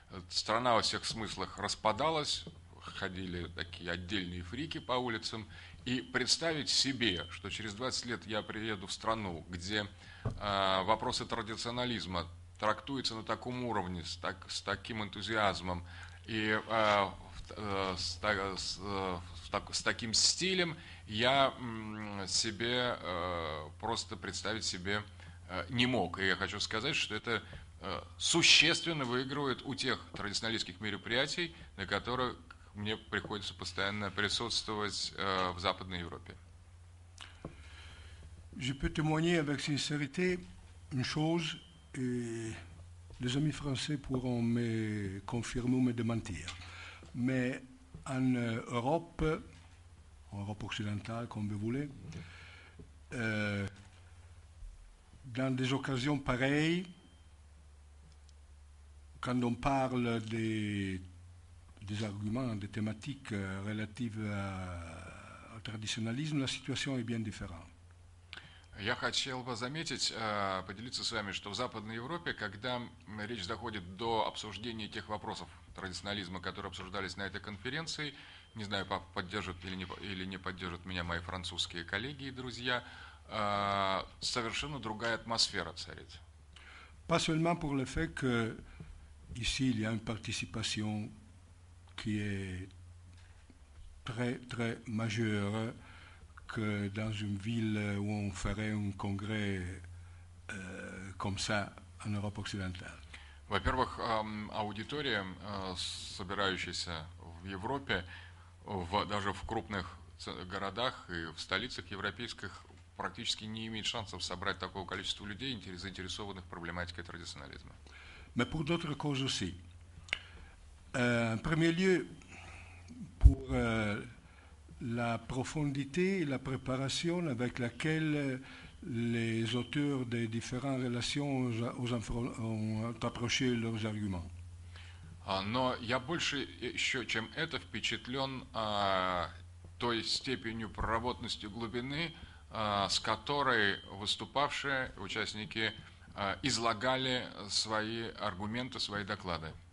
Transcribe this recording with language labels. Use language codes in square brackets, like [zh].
[ru] страна во всех смыслах распадалась, ходили такие отдельные фрики по улицам, и представить себе, что через 20 лет я приеду в страну, где вопросы традиционализма трактуются на таком уровне, с таким энтузиазмом, и с таким стилем я себе просто представить себе не мог. И я хочу сказать, что это существенно выигрывает у тех традиционалистских мероприятий, на которых мне приходится постоянно присутствовать в Западной Европе. [fr] Je peux témoigner avec sincérité une chose, et les amis français pourront me confirmer ou me démentir. Mais en Europe occidentale, comme vous voulez, dans des occasions pareilles, quand on parle des arguments, des thématiques relatives au traditionnalisme, la situation est bien différente. [ru] Я хотел бы заметить, поделиться с вами, что в Западной Европе, когда речь доходит до обсуждения тех вопросов традиционализма, которые обсуждались на этой конференции, не знаю, поддержат или не поддержат меня мои французские коллеги и друзья, совершенно другая атмосфера царит. [fr] Pas seulement pour le fait que ici il y a une participation qui est très très majeure, que dans une ville où on ferait un congrès comme ça en Europe occidentale. [ru] Во-первых, аудитория, собирающаяся в Европе, даже в крупных городах и в столицах европейских, практически не имеет шансов собрать такого количества людей, заинтересованных проблематикой традиционализма. [fr] Mais pour d'autres causes aussi. En premier lieu, pour la profondité et la préparation avec laquelle les auteurs des différentes relations ont approché leurs arguments. [ru] Но я больше еще, чем это, впечатлен той степенью проработанности глубины, с которой выступавшие участники излагали свои аргументы, свои доклады.